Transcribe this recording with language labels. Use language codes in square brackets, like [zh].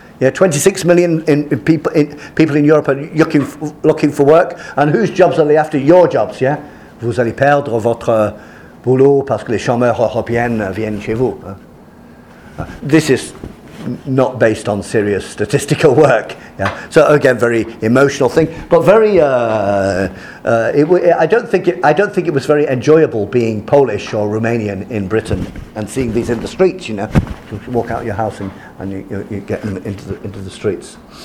[en] Yeah, 26 million people in Europe are looking for work. And whose jobs are they after? Your jobs, yeah? [fr] Vous allez perdre votre boulot parce que les chômeurs européennes viennent chez vous. [en] This is not based on serious statistical work. Yeah. So again, very emotional thing, but very. I don't think it was very enjoyable being Polish or Romanian in Britain and seeing these in the streets. You know, you walk out of your house and you get them into the streets.